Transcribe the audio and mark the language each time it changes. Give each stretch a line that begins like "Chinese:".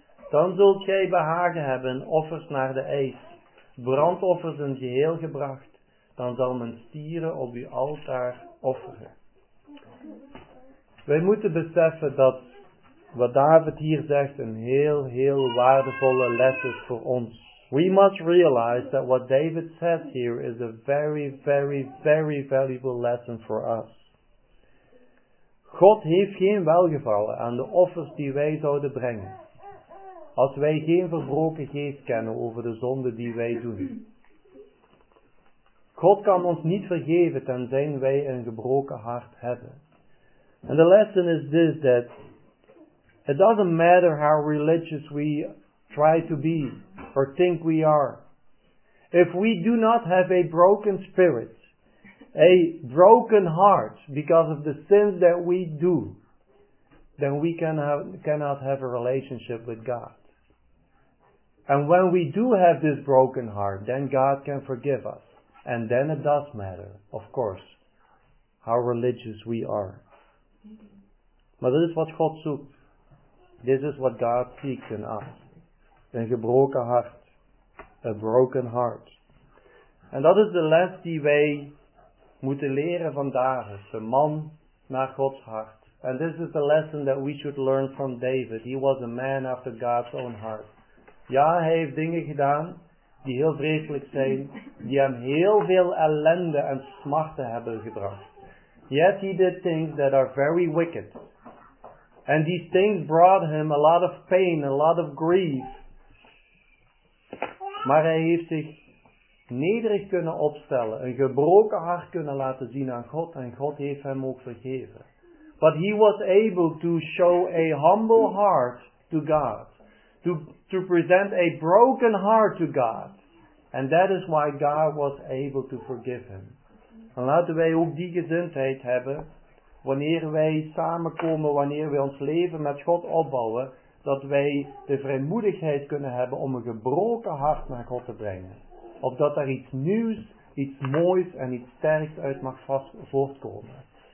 Dutch: Dan zult gij behagen hebben in offers naar de eis. Brandoffers in geheel gebracht. Dan zal men stieren op uw altaar offeren. Wij moeten beseffen dat wat David hier zegt een heel, heel waardevolle les is voor ons.
English: We must realize that what David says here is a very, very, very valuable lesson for us.
Dutch: God heeft geen welgevallen aan de offers die wij zouden brengen. Als wij geen verbroken geest kennen over de zonde die wij doen. God kan ons niet vergeven tenzij wij een gebroken hart hebben.
English: And the lesson is this, that it doesn't matter how religious we try to be or think we are. If we do not have a broken spirit, a broken heart because of the sins that we do, then we cannot have a relationship with God. And when we do have this broken heart, then God can forgive us. And then it does matter, of course, how religious we are. But this is what God seeks. This is what God seeks in us.
Dutch: Een gebroken hart.
English: A broken heart.
Dutch: En dat is de les die wij moeten leren van David. Een man naar Gods hart.
English: And this is the lesson that we should learn from David. He was a man after God's own heart.
Dutch: Ja, hij heeft dingen gedaan die heel vreselijk zijn. Die hem heel veel ellende en smarten hebben gebracht.
English: Yet he did things that are very wicked. And these things brought him a lot of pain, a lot of grief.
Dutch: Maar hij heeft zich nederig kunnen opstellen, een gebroken hart kunnen laten zien aan God, en God heeft hem ook vergeven.
English: But he was able to show a humble heart to God, to present a broken heart to God. And that is why God was able to forgive him.
Dutch: En laten wij ook die gezindheid hebben, wanneer wij samenkomen, wanneer wij ons leven met God opbouwen, dat wij de vrijmoedigheid kunnen hebben om een gebroken hart naar God te brengen. Opdat daar iets nieuws, iets moois en iets sterks uit mag voortkomen.